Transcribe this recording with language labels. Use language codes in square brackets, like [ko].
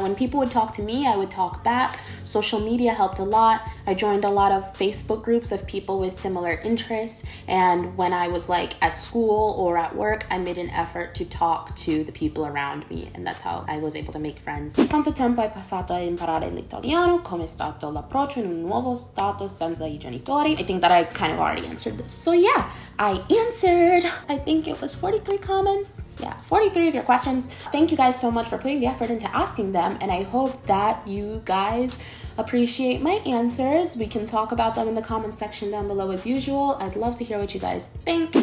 [en] When people would talk to me, I would talk back. Social media helped a lot. I joined a lot of Facebook groups of people with similar interests, and when I was like at school or at work, I made an effort to talk to the people around me, and that's how I was able to make friends. [it] Quanto tempo hai passato a imparare l'italiano? Come è stato l'approccio in un nuovo stato senza I genitori? [en] I think that I kind of already answered this. So yeah, I answered, I think it was 43 comments. Yeah, 43 of your questions. Thank you guys so much for putting the effort into asking them, and I hope that you guys appreciate my answers. We can talk about them in the comments section down below as usual. I'd love to hear what you guys think.